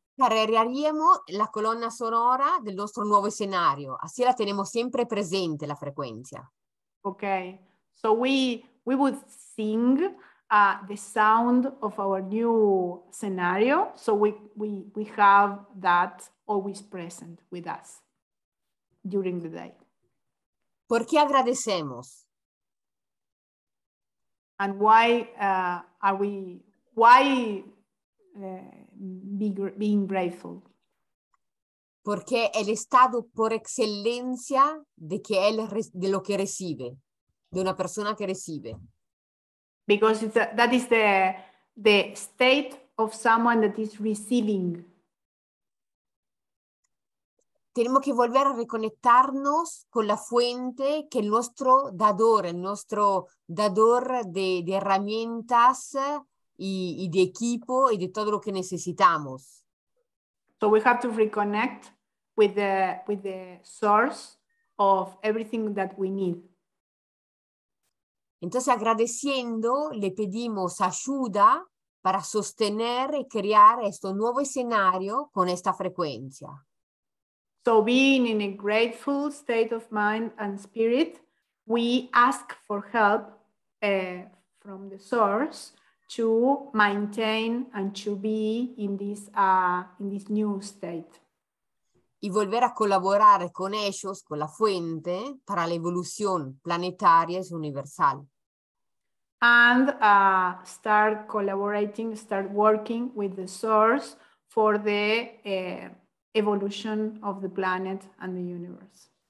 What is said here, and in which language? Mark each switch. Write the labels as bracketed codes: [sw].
[es] Tararearíamos la colonna sonora del nuestro nuevo escenario. Así la tenemos siempre presente la frecuencia. [en] Okay, so we would sing the sound of our new scenario, so we have that always present with us during the day. [es] ¿Por qué agradecemos? [en] And why are we, why being grateful? [es] Porque el estado por excelencia de lo que recibe, de una persona que recibe. [en] Because that is the state of someone that is receiving. [es] Tenemos que volver a reconectarnos con la fuente que nuestro dador, el nuestro dador de herramientas y de equipo y de todo lo que necesitamos. [en] So we have to reconnect with the source of everything that we need. [es] Entonces agradeciendo le pedimos ayuda para sostener y crear este nuevo escenario con esta frecuencia. [en] So being in a grateful state of mind and spirit, we ask for help from the source to maintain and to be in this new state. [es] Y volver a colaborar con ellos, con la fuente, para la evolución planetaria y universal. [en] And start collaborating, start working with the source for the evolution of the planet and the universe.